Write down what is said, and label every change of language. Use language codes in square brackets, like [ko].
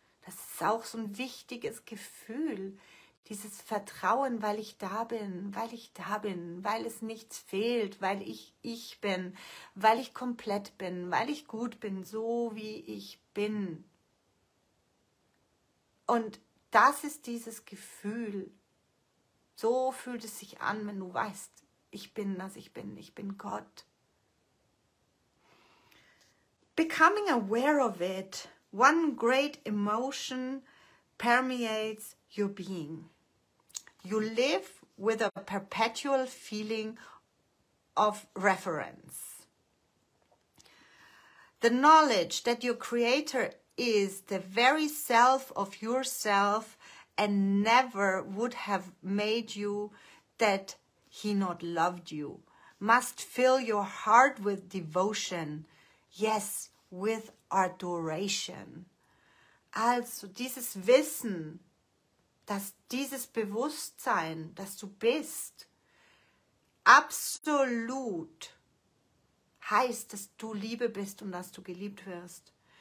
[de] Das ist auch so ein wichtiges Gefühl. Dieses Vertrauen, weil ich da bin, weil ich da bin, weil es nichts fehlt, weil ich bin, weil ich komplett bin, weil ich gut bin, so wie ich bin. Und das ist dieses Gefühl. So fühlt es sich an, wenn du weißt, ich bin das, ich bin Gott. [en] Becoming aware of it, one great emotion permeates your being. You live with a perpetual feeling of reference. The knowledge that your creator is the very self of yourself and never would have made you that he not loved you must fill your heart with devotion. Yes, with adoration. [de] Also dieses Wissen, dass dieses Bewusstsein, das du bist, absolut heißt, dass du Liebe bist und dass du geliebt wirst.